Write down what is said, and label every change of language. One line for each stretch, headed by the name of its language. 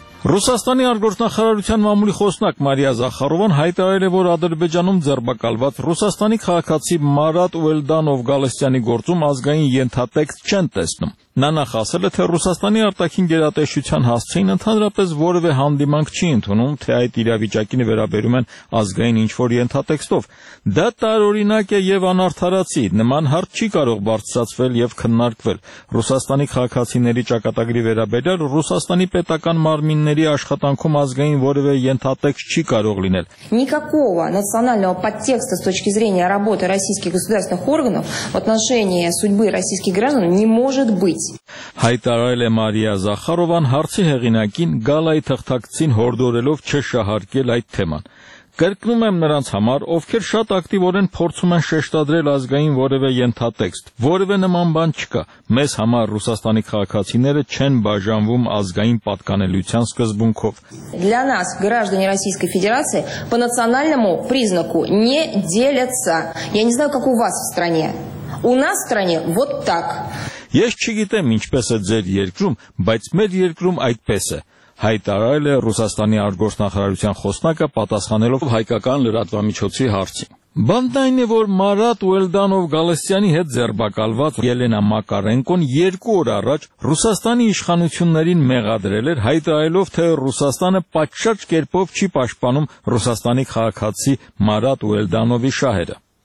Armenian: Ռուսաստանի արտգործնախարարության մամուլի խոսնակ Մարիա Զախարովան հայտարարել է, որ Ադրբեջանում ձերբակալված Ռուսաստանի քաղաքացի Մարատ Ուելդանով Գալստյանի գործում ազգային ենթատեքստ չեն տեսնում։ Նա նախ ասել է, թե Ռուսաստանի արտաքին գերատեսչության հասցեին ընդհանրապես որևէ հանդիմանք չի ընդունում, թե այդ իրավիճակին վերաբերում են ազգային ինչ-որ ենթատեքստով։ Դա տարօրինակ է և անարդարացի, նման հարց չի կարող բարձրացվել և քննարկվել։ Ռուսաստանի քաղաքացիների ճակատագրի վերաբերյալ Ռուսաստանի պետական մարմինների աշխատանքում ազգային որևէ ենթատեքստ չի կարող լինել։
Russian: Никакого национального подтекста с точки зрения работы российских государственных органов в отношении судьбы российских граждан не может быть.
Armenian: Հայտարարել է Մարիա Զախարովան հարցի հեղինակին Գալայի թղթակցին հորդորելով չշահարկել այդ թեման։ Կրկնում եմ նրանց համար, ովքեր շատ ակտիվորեն փորձում են շեշտադրել ազգային որևէ ենթատեքստ, որևէ նման բան չկա։ Մեզ համար Ռուսաստանի քաղաքացիները չեն բաժանվում ազգային պատկանելության սկզբունքով։
Russian: Для нас, граждане Российской Федерации, по национальному признаку не делятся. Я не знаю, как у вас в стране. У нас в стране вот так.
Armenian: Ես չգիտեմ ինչպես է ձեր երկրում, բայց մեր երկրում այդպես է, հայտարարել է Ռուսաստանի արտգործնախարարության խոսնակը պատասխանելով հայկական լրատվամիջոցի հարցին։ Բանն այն է, որ Մարատ Ուելդանով Գալստյանի հետ ձերբակալված Ելենա Մակարենկոն երկու օր առաջ Ռուսաստանի իշխանություններին մեղադրել էր, հայտարարելով, թե Ռուսաստանը պատշաճ կերպով չի պաշտպանում Ռուսաստանի քաղաքացի Մարատ Ուելդանովի շահերը։